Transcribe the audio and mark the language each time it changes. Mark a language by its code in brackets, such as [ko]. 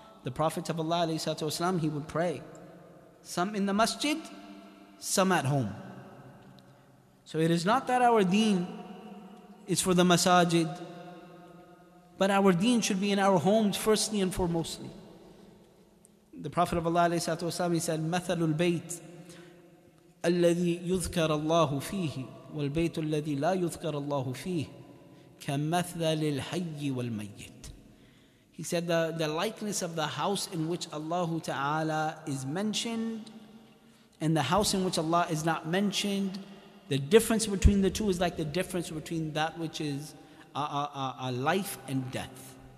[en] The Prophet of Allah alayhi wasalam, he would pray. Some in the masjid, some at home. So it is not that our deen is for the masajid, but our deen should be in our homes firstly and foremostly. The Prophet of Allah وسلم, he said, [ar] مَثَلُ الْبَيْتِ أَلَّذِي يُذْكَرَ اللَّهُ فِيهِ وَالْبَيْتُ الَّذِي لَا يُذْكَرَ اللَّهُ فِيهِ كَمَثَلِ الْحَيِّ وَالْمَيِّتِ. [en] He said, the likeness of the house in which Allah Ta'ala is mentioned and the house in which Allah is not mentioned, the difference between the two is like the difference between that which is a life and death.